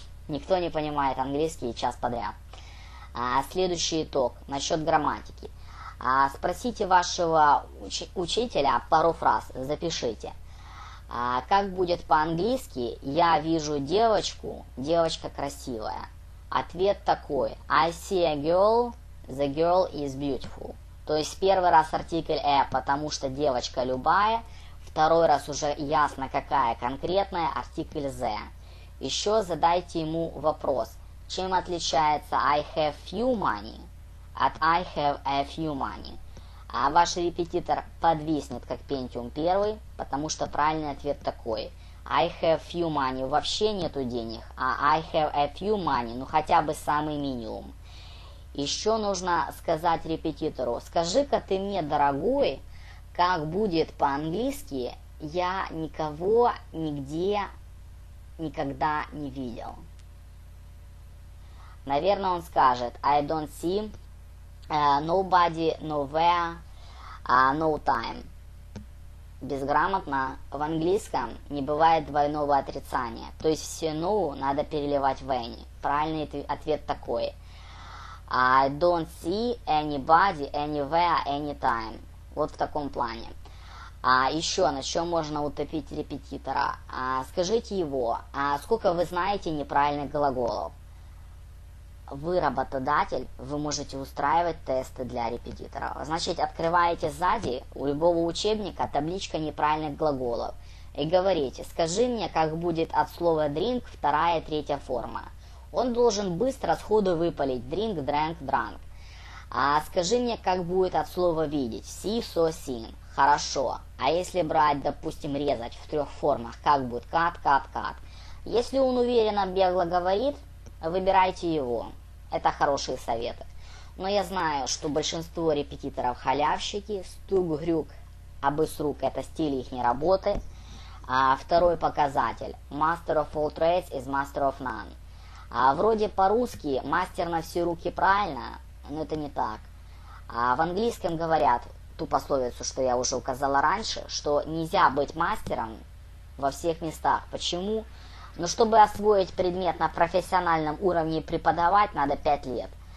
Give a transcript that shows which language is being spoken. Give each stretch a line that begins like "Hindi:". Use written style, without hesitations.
Russian: Никто не понимает английский час подряд. Следующий итог насчет грамматики. Спросите вашего учителя пару фраз, запишите. Как будет по-английски? Я вижу девочку, девочка красивая. Ответ такой.
English: I see a girl, the girl is beautiful.
Russian: То есть первый раз артикль «э», потому что девочка любая. Второй раз уже ясно, какая конкретная, артикль «the». Еще задайте ему вопрос. Чем отличается
English: «I have few money»
Russian: от
English: «I have a few money»?
Russian: А ваш репетитор подвиснет, как Pentium первый, потому что правильный ответ такой.
English: I have few money,
Russian: вообще нету денег, а
English: I have a few money,
Russian: ну хотя бы самый минимум. Еще нужно сказать репетитору, скажи-ка ты мне, дорогой, как будет по-английски, я никого нигде никогда не видел. Наверное, он скажет,
English: I don't see nobody, nowhere, no time.
Russian: Безграмотно. В английском не бывает двойного отрицания. То есть все no надо переливать в any. Правильный ответ такой.
English: I don't see anybody, anywhere, anytime.
Russian: Вот в таком плане. Еще на чем можно утопить репетитора? Скажите его, сколько вы знаете неправильных глаголов? Вы работодатель, вы можете устраивать тесты для репетиторов. Значит, открываете сзади у любого учебника табличка неправильных глаголов и говорите, скажи мне, как будет от слова drink вторая и третья форма. Он должен быстро сходу выпалить drink, drank, drunk. А скажи мне, как будет от слова видеть, see, saw, seen. Хорошо. А если брать, допустим, резать в трех формах, как будет cut, cut, cut. Если он уверенно бегло говорит, выбирайте его. Это хорошие советы. Но я знаю, что большинство репетиторов халявщики. Стук-грюк, абыс-рук – это стиль их работы. А второй показатель.
English: Master of all trades is master of none.
Russian: А вроде по-русски мастер на все руки правильно, но это не так. А в английском говорят ту пословицу, что я уже указала раньше, что нельзя быть мастером во всех местах. Почему? Но чтобы освоить предмет на профессиональном уровне и преподавать, надо 5 лет.